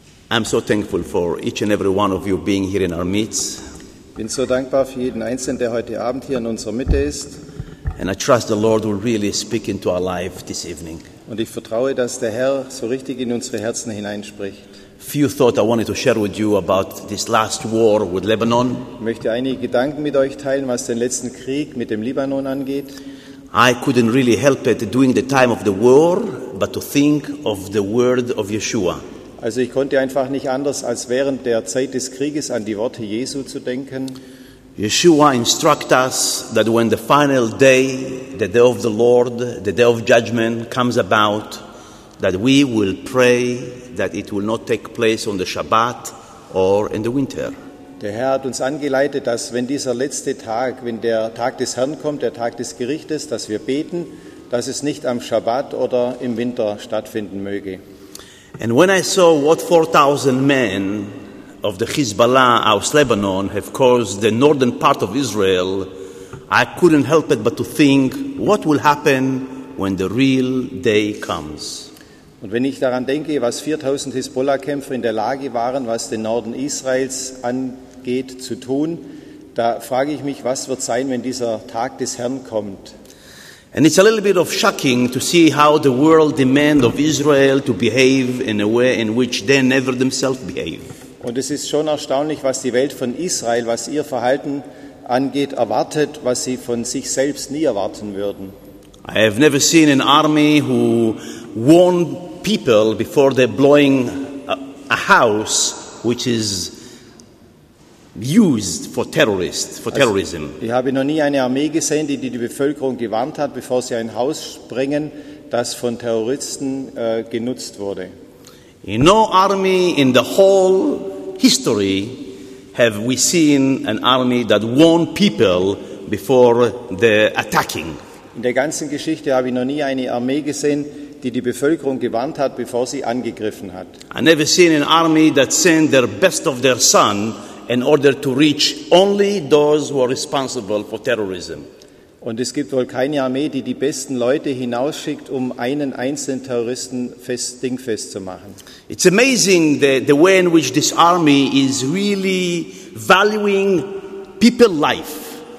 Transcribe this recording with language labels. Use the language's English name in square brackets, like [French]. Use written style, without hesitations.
[English] I'm so thankful for each and every one of you being here in our midst. [German] Bin so dankbar für jeden Einzelnen, der heute Abend hier in unserer Mitte ist. [English] And I trust the Lord will really speak into our life this evening. [German] Und ich vertraue, dass der Herr so richtig in unsere Herzen hineinspricht. [English] Few thoughts I wanted to share with you about this last war with Lebanon. [German] Ich möchte einige Gedanken mit euch teilen, was den letzten Krieg mit dem Libanon angeht. [English] I couldn't really help it during the time of the war, but to think of the word of Yeshua. [German] Also ich konnte einfach nicht anders, als während der Zeit des Krieges an die Worte Jesu zu denken. [English] Yeshua instructs us that when the final day, the day of the Lord, the day of judgment comes about, that we will pray that it will not take place on the Shabbat or in the winter. [German] Der Herr hat uns angeleitet, dass wenn dieser letzte Tag, wenn der Tag des Herrn kommt, der Tag des Gerichtes, dass wir beten, dass es nicht am Shabbat oder im Winter stattfinden möge. [English] And when I saw what 4,000 men of the Hezbollah aus Lebanon have caused the northern part of Israel, I couldn't help it but to think what will happen when the real day comes. [German] Und wenn ich daran denke, was 4,000 Hezbollah-Kämpfer in der Lage waren, was den Norden Israels angeht, zu tun, da frage ich mich, was wird sein, wenn dieser Tag des Herrn kommt? [English] And it's a little bit of shocking to see how the world demands of Israel to behave in a way in which they never themselves behave. [German] Und es ist schon erstaunlich, was die Welt von Israel, was ihr Verhalten angeht, erwartet, was sie von sich selbst nie erwarten würden. [English] I have never seen an army who warn people before they're blowing a house which is used for terrorists, for terrorism. [German] Ich habe noch nie eine Armee gesehen, die die Bevölkerung gewarnt hat, bevor sie ein Haus sprengen, das von Terroristen genutzt wurde. [English] No army in the whole history have we seen an army that warned people before the attacking. [German] In der ganzen Geschichte habe ich noch nie eine Armee gesehen, die die Bevölkerung gewarnt hat, bevor sie angegriffen hat. [English] I never seen an army that sent their best of their son in order to reach only those who are responsible for terrorism. [German] Und es gibt wohl keine Armee, die die besten Leute hinausschickt, um einen einzelnen Terroristen dingfest zu machen. [English] It's amazing the way in which this army is really valuing people life.